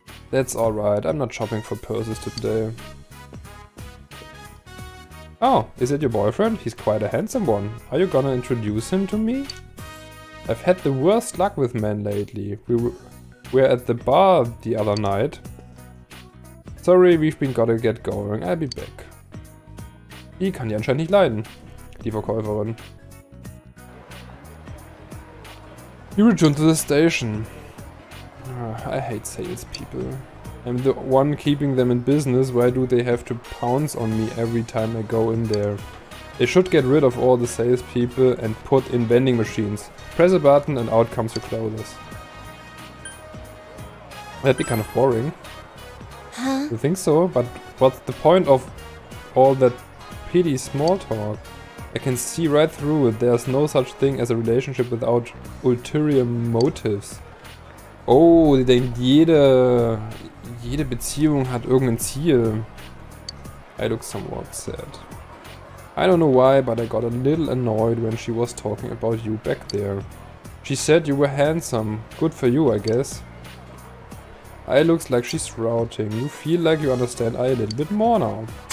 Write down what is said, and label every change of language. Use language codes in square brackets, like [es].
[en] That's alright, I'm not shopping for purses today. Oh, is it your boyfriend? He's quite a handsome one. Are you gonna introduce him to me? I've had the worst luck with men lately. We were at the bar the other night. Sorry, we've been gotta get going. I'll be back. [de] Die kann die anscheinend nicht leiden, die Verkäuferin. [en] You return to the station. I hate salespeople. I'm the one keeping them in business. Why do they have to pounce on me every time I go in there? They should get rid of all the salespeople and put in vending machines. Press a button and out comes your clothes. That'd be kind of boring. Huh? You think so? But what's the point of all that pity small talk? I can see right through it. There's no such thing as a relationship without ulterior motives. [de] Oh, die denkt, jede Beziehung hat irgendein Ziel. [en] I look somewhat sad. I don't know why, but I got a little annoyed when she was talking about you back there. She said you were handsome. Good for you, I guess. I looks like she's routing. You feel like you understand I a little bit more now.